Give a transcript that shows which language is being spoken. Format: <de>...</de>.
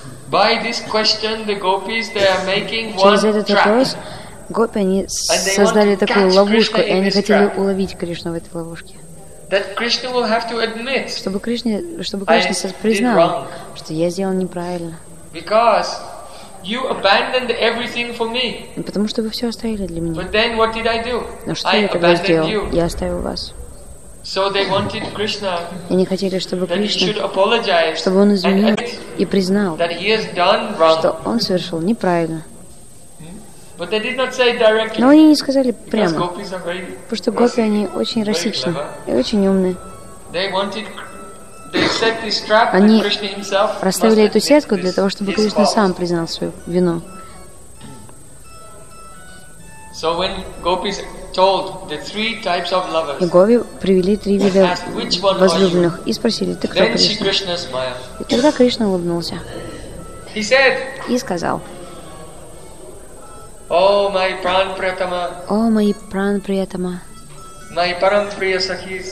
<en>By this question, the gopis they are making one trap.</en> <ru>Через этот вопрос гопи они создали такую ловушку, и они хотели уловить Кришну в этой ловушке.</ru> <en>That Krishna will have to admit.</en> <ru>Чтобы Кришна признал, что я сделал неправильно.</ru> <en>Because you abandoned everything for me.</en> <ru>Потому что вы все оставили для меня.</ru> <en>But then what did I do?</en> <ru>Но что я тогда сделал? Я оставил вас.</ru> <en>So they wanted Krishna,</en> <ru>и они хотели, чтобы Кришна,</ru> <en>should apologize,</en> <ru>чтобы он извинил и признал,</ru> <en>that he has done wrong,</en> <ru>что он совершил неправильно.</ru> <en>But they did not say directly,</en> <ru>но они не сказали прямо,</ru> <en>gopis are very,</en> <ru>потому что гопи, они очень рассечны и очень умны.</ru> <en>They wanted, they set this trap,</en> <ru>они</ru> <en>Krishna himself</en> <ru>расставили эту сетку для того, чтобы Кришна сам признал свою вину.</ru> <en>So when gopis told the three types of lovers,</en> <ru>Гопи привели три вида возлюбленных и спросили, ты кто пришла? И тогда Кришна улыбнулся.</ru> <en>He said,</en> <ru>и сказал, О, мои пран приятама, мои парам прия сахи,</ru>